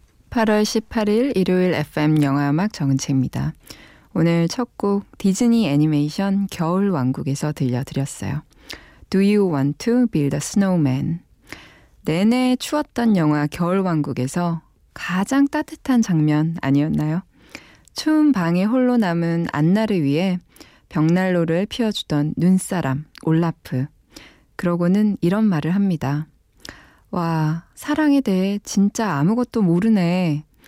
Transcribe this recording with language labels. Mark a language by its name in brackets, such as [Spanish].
[Korean] 8월 18일 일요일 FM 영화음악 정은채입니다. 오늘 첫 곡 디즈니 애니메이션 겨울 왕국에서 들려드렸어요. [English] Do you want to build a snowman? [Korean] 내내 추웠던 영화 겨울왕국에서 가장 따뜻한 장면 아니었나요? 추운 방에 홀로 남은 안나를 위해 벽난로를 피워주던 눈사람 올라프. 그러고는 이런 말을 합니다. 와, 사랑에 대해 진짜 아무것도 모르네.